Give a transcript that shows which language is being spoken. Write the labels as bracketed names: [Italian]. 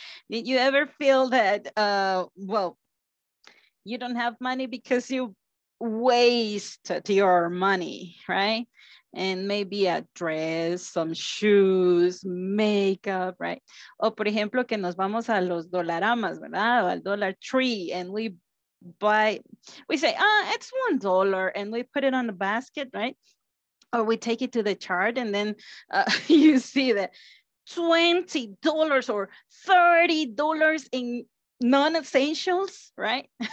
[English] Did you ever feel that, well, you don't have money because you wasted your money, right? And maybe a dress, some shoes, makeup, right? [Spanish] O por ejemplo, que nos vamos a los dolaramas, ¿verdad? O al [English] Dollar Tree, and we buy, we say, ah, it's $1, and we put it on the basket, right? Or we take it to the chart, and then you see that $20 or $30 in non-essentials, right?